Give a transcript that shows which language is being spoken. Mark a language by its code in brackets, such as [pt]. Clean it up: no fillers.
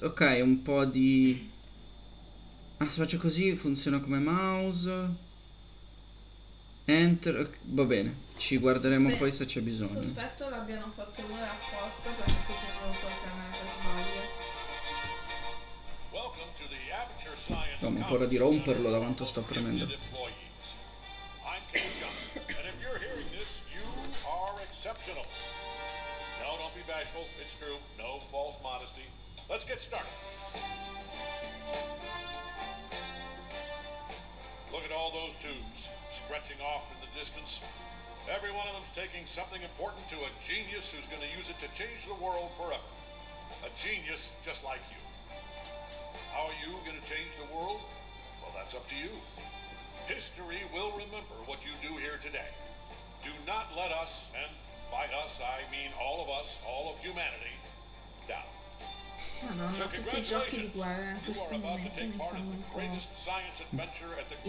[it] Ok, un po' di. Ah, se faccio così funziona come mouse. Enter, okay, va bene. Ci guarderemo poi se c'è bisogno. Sospetto l'abbiano fatto loro apposta perché così non lo portano a sbaglio. [en] Welcome to the Aperture Science. [it] Ho paura di romperlo davanti, sto premendo. [en] I'm Ken Johnson, and if you're hearing this, you are exceptional. No, don't be bashful, it's true. No false modesty. Let's get started. Look at all those tubes stretching off in the distance. Every one of them's taking something important to a genius who's going to use it to change the world forever. A genius just like you. How are you going to change the world? Well, that's up to you. History will remember what you do here today. Do not let us, and by us I mean all of us, all of humanity, down. [it] No, no, no, tutti i giochi di guerra in questo momento mi fanno un po'...